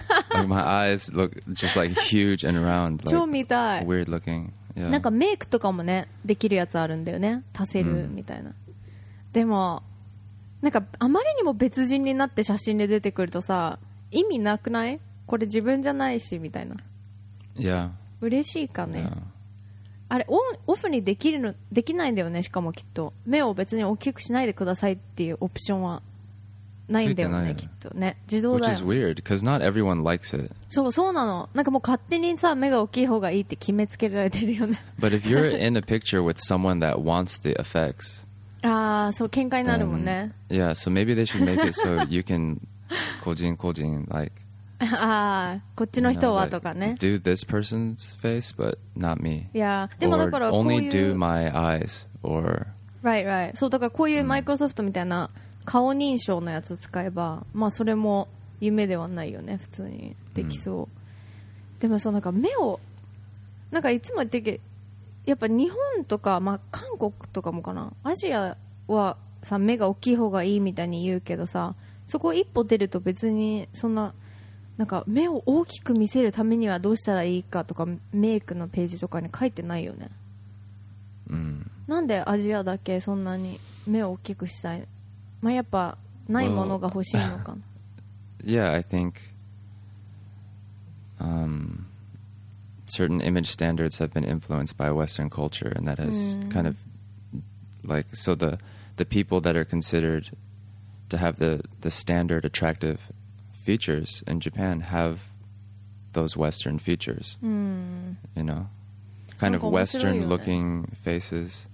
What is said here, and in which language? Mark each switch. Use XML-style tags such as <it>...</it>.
<en>Like、my eyes look just like huge and round. Like,</en> <ja>超見たい。</ja> <en>Weird looking.、Yeah.</en> <ja>なんかメイクとかもね、できるやつあるんだよね。足せるみたいな。うん、でも、なんかあまりにも別人になって写真で出てくるとさ、意味なくない？これ自分じゃないしみたいな。いや。嬉しいかね。Yeah. あれ オフにできるのできないんだよね。しかもきっと目を別に大きくしないでくださいっていうオプションはないんだよね。きっとね、自動だよ。</ja> <en>Which is weird, because not everyone likes it.</en> <ja>そうなの。なんかもう勝手にさ目が大きい方がいいって決めつけられてるよね。</ja> <en>But if you're in a picture with someone that wants the effects.</en> <ja>ああ、そう喧嘩になるもんね。</ja> <en>Yeah, so maybe they should make it so you can 個人 like.</en> <ja>ああ、こっちの人はとかね。</ja> <en>Do this person's face, but not me.</en> <ja>Yeah, でもだからこういう。</ja> <en>Only do my eyes or. Right, right.</en> <ja>そうだからこういうマイクロソフトみたいな顔認証のやつを使えば、まあそれも夢ではないよね。普通にできそう。でもそうなんか目をなんかいつも言ってけ、やっぱ日本とかまあ韓国とかもかな。アジアはさ目が大きい方がいいみたいに言うけどさ、そこ一歩出ると別にそんな。なんか目を大きく見せるためにはどうしたらいいかとかメイクのページとかに書いてないよね。うん、なんでアジアだけそんなに目を大きくしたい、まあ、やっぱないものが欲しいのか。</ja> <en>Well, yeah, I think certain image standards have been influenced by Western culture and that has kind of like, so the people that are considered to have the standard attractiveFeatures in Japan have those Western features, you know, kind of Western looking faces.</en>